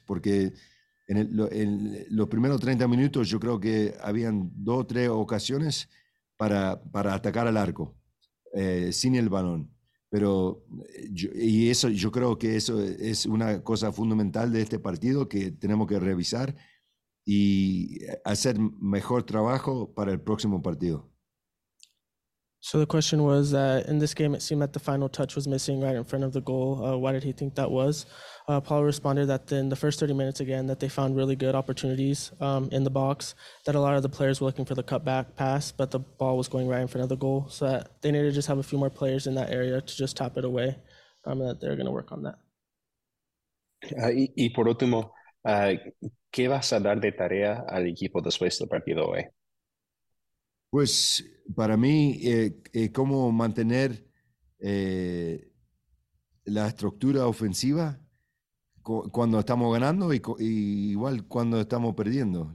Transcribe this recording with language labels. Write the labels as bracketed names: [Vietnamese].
[Spanish] Porque en los primeros 30 minutos yo creo que habían dos o tres ocasiones para atacar al arco, sin el balón. Pero yo creo que eso es una cosa fundamental de este partido que tenemos que revisar y hacer mejor trabajo para el próximo partido. [English] So the question was that in this game it seemed that the final touch was missing right in front of the goal. Why did he think that was? Paul responded that in the first 30 minutes again that they found really good opportunities in the box, that a lot of the players were looking for the cutback pass, but the ball was going right in front of the goal, so that they needed to just have a few more players in that area to just tap it away, and that they're going to work on that. [Spanish] Y por último, ¿qué vas a dar de tarea al equipo después del partido hoy? Pues para mí, cómo mantener la estructura ofensiva cuando estamos ganando y igual cuando estamos perdiendo.